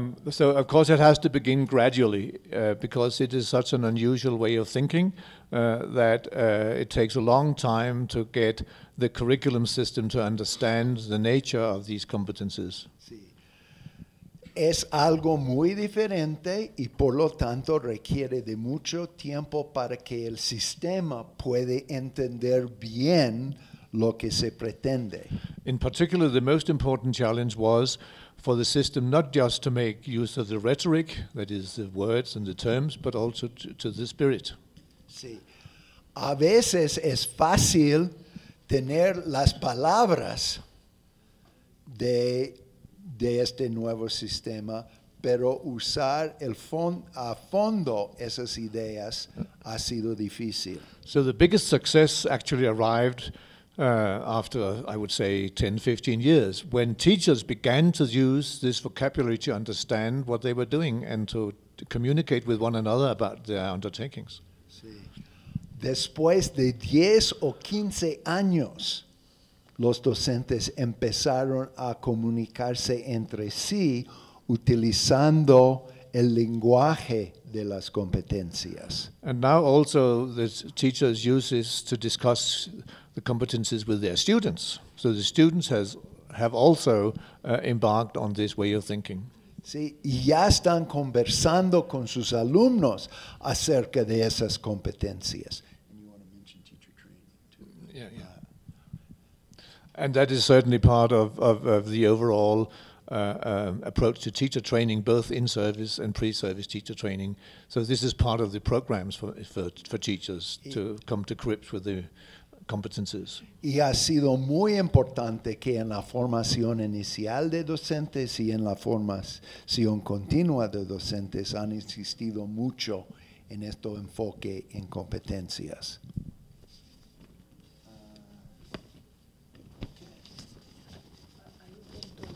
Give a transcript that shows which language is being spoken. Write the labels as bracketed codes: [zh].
[en] So of course it has to begin gradually because it is such an unusual way of thinking that it takes a long time to get the curriculum system to understand the nature of these competencies. [es] Sí. Es algo muy diferente y por lo tanto requiere de mucho tiempo para que el sistema puede entender bien lo que se pretende. [en] In particular, the most important challenge was for the system not just to make use of the rhetoric, that is the words and the terms, but also to the spirit. [es] Sí. A veces es fácil tener las palabras de este nuevo sistema, pero usar a fondo esas ideas ha sido difícil. [en] So the biggest success actually arrived after, I would say, 10, 15 years, when teachers began to use this vocabulary to understand what they were doing and to communicate with one another about their undertakings. [es] Sí. Después de 10 o 15 años, los docentes empezaron a comunicarse entre sí utilizando el lenguaje de las competencias. [en] And now also the teachers use this to discuss the competencies with their students. So the students have also embarked on this way of thinking. [es] Sí, y ya están conversando con sus alumnos acerca de esas competencias. [en] And you want to mention teacher training too. Yeah. And that is certainly part of the overall approach to teacher training, both in-service and pre-service teacher training. So this is part of the programs for teachers to come to grips with the competencies. [es] Y ha sido muy importante que en la formación inicial de docentes y en la formación continua de docentes han insistido mucho en este enfoque en competencias. [en] Okay.